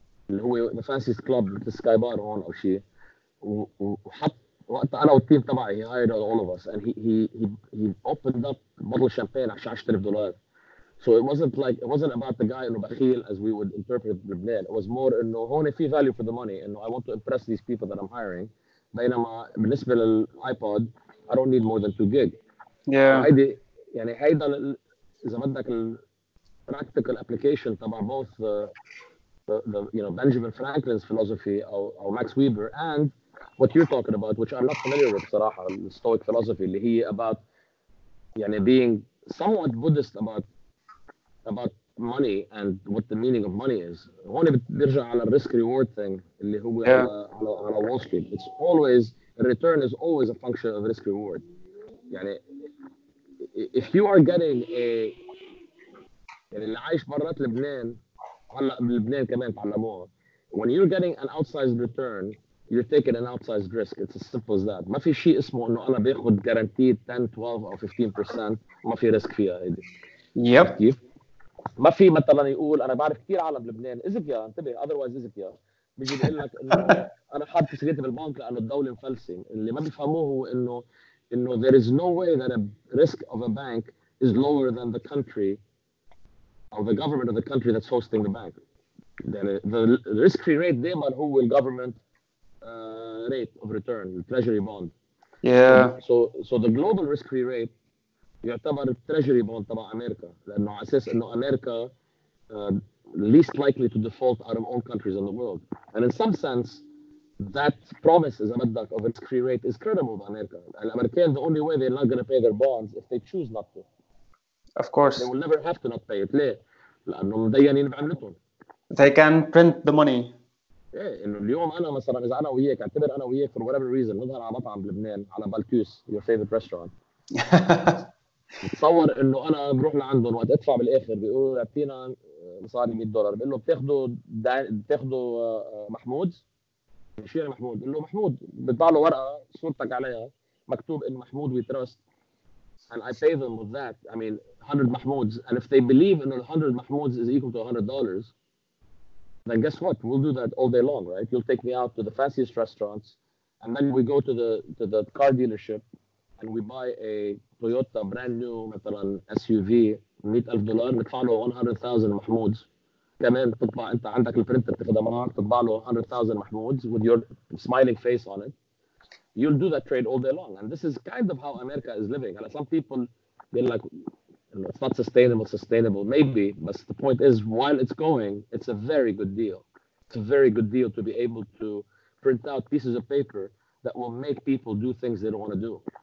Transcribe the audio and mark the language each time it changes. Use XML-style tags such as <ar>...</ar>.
<ar>اللي هو</ar> <en>the fanciest club the sky bar</en> <ar>هون أو شيء وحط وقت أنا والتيم تبعي</ar> <en>he hired all of us and he opened up bottle of champagne</en> <ar>عشان</ar> <en>10,000 دولار so it wasn't about the guy</en> <ar>إنه بخيل</ar> <en>as we would interpret لبنان it was more</en> <ar>إنه هون في</ar> <en>value for the money</en> <ar>إنه</ar> <en>I want to impress these people that I'm hiring</en> <ar>بينما بالنسبة للآيباد</ar> <en>I don't need more than 2 gig. Yeah.</en> <ar>عادي يعني هيدا إذا بدك ال</ar> <en>practical application</en> <ar>تبع</ar> <en>both the you know Benjamin Franklin's philosophy or Max Weber and what you're talking about, which I'm not familiar with</en> <ar>صراحة,</ar> <en>the Stoic philosophy</en> <ar>اللي هي</ar> <en>about</en> <ar>يعني</ar> <en>being somewhat Buddhist about money and what the meaning of money is.</en> <ar>هون بترجع على</ar> <en>the risk reward thing</en> <ar>اللي هو yeah. على Wall Street.</ar> <en>It's always the return is always a function of risk reward.</en> <ar>يعني</ar> <en>if you are getting a</en> <ar>يعني اللي عايش برات لبنان هلا بلبنان كمان تعلموها.</ar> <en>When you're getting an outsized return, you're taking an outsized risk. It's as simple as that.</en> <ar>ما في شيء اسمه انه انا باخذ</ar> <en>guaranteed 10, 12 or 15%</en> <ar>ما في ريسك فيها هيدي.</ar> <en>Yep.</en> <ar>كيف؟ ما في مثلا يقول انا بعرف كثير عالم بلبنان ازكيا انتبه otherwise ازكيا بيجي بيقول لك انه انا حاط تسريتي بالبنك لانه الدوله مفلسه. اللي ما بيفهموه هو انه</ar> <en>there is no way that a risk of a bank is lower than the country or the government of the country that's hosting the bank. Then the risk free rate they might who will government rate of return, the treasury bond. Yeah. So the global risk free rate</en> <ar>يعتبر</ar> <en>treasury bond</en> <ar>تبع امريكا لانه اساس انه امريكا</ar> <en>least likely to default out of all countries in the world. And in some sense that promise is a bedrock of risk free rate is credible by America. And Americans, the only way they're not going to pay their bonds if they choose not to. Of course. They will never have to not pay it.</en> <ar>ليه؟ لأنه مدينين بعملتهم.</ar> <en>They can print the money.</en> <ar>إيه إنه اليوم أنا مثلاً إذا أنا وياك اعتبر أنا وياك</ar> <en>for whatever reason</en> <ar>نظهر على مطعم بلبنان على بالكوس</ar> <en>your favorite restaurant.</en> <ar>تصور إنه أنا بروح لعندهم وقت أدفع بالآخر بيقول أعطينا مصاري 100 دولار بقول له بتاخدوا بتاخدوا محمود؟ شو يعني محمود؟ بقول له محمود بيطبع له ورقة صورتك عليها مكتوب إن محمود</ar> <en>we trust. And I pay them with that. I mean, 100 Mahmouds. And if they believe in 100 Mahmouds is equal to $100, then guess what? We'll do that all day long, right? You'll take me out to the fanciest restaurants, and then we go to the car dealership, and we buy a Toyota brand new,</en> <ar>مثلا</ar> <en>SUV, $100,000. We pay 100,000 Mahmouds.</en> <ar>كمان تطبع أنت عندك البرينتر تخدمه معك تطبع له 100,000 Mahmouds</ar> <en>with your smiling face on it. You'll do that trade all day long. And this is kind of how America is living. And some people, they're like, it's not sustainable, maybe. But the point is, while it's going, it's a very good deal. It's a very good deal to be able to print out pieces of paper that will make people do things they don't want to do.</en>